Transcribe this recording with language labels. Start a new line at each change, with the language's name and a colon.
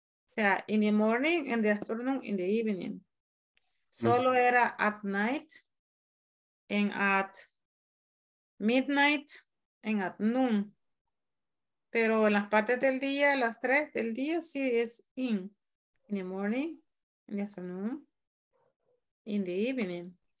Spanish: O sea,
English: in the morning, in the afternoon, in the evening. Solo uh-huh. era at night, and at midnight, and at noon.
Spanish: Pero en las partes del día, las tres del día, sí es in.
English: In the morning, in the afternoon, in the evening.